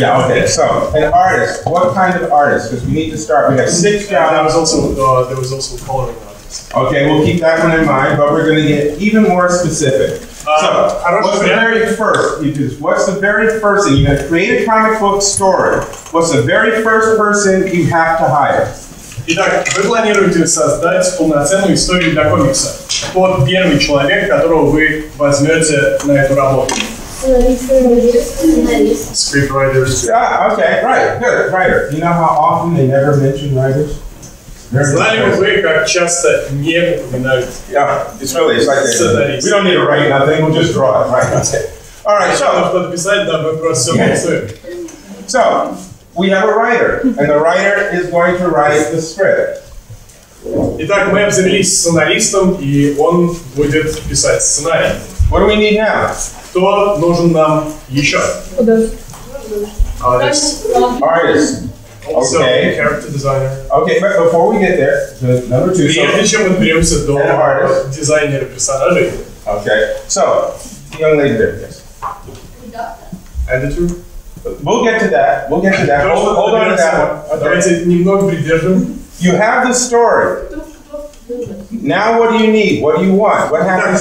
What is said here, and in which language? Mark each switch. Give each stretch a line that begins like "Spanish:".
English: Yeah, okay. So, an artist. What kind of artist? Because we need to start. We have six jobs. There was also coloring artist. Okay, we'll keep that one in mind, but we're going to get even more specific. What's the very first thing? You have to create a comic book story. What's the very first person you have to hire?
Russian: Итак, вы планируете создать полноценную историю для комикса. Вот первый человек, которого вы возьмете на эту работу.
English: Scriptwriters. Yeah, okay, right, good, writer. You know how often they never mention writers?
Russian: Знали бы вы, как часто не упоминают.
English: Yeah, it's really, it's like that. We don't need to write nothing, we'll just draw it, right? That's it. All right, so.
Russian: Можно подписать, да, мы просто все пустим.
English: So, we have a writer, and the writer is going to write the script.
Russian: Итак, мы обзавелись сценаристом, и он будет писать сценарий.
English: What do we need now?
Russian: Кто нужен нам еще?
English: Artist. Also, okay. Character designer. Okay, but before we get there, the number two.
Russian: Прежде чем мы беремся до дизайнера персонажей.
English: Okay. So, young lady there, yes. Editor. We'll get to that. We'll get to that. Hold on to that one. Okay.
Russian: Давайте немного придержим.
English: You have the story. Now what do you need? What do you want? What happens